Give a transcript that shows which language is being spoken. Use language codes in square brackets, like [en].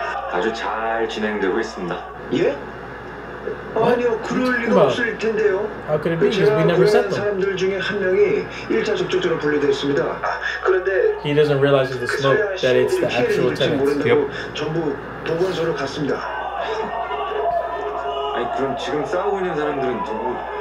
[ko] 아주 잘 진행되고 있습니다. 예? 아니요, 그럴 리가 없을 텐데요. [en] How could it be? Because we never set them. [ko] 사람들 중에 한 명이 1차 접촉자로 분류됐습니다. 그런데 [en] he doesn't realize it's the smoke that it's the actual tenants. [ko] 전부 보건소로 갔습니다. 아니 그럼 지금 싸우고 있는 사람들은 누구?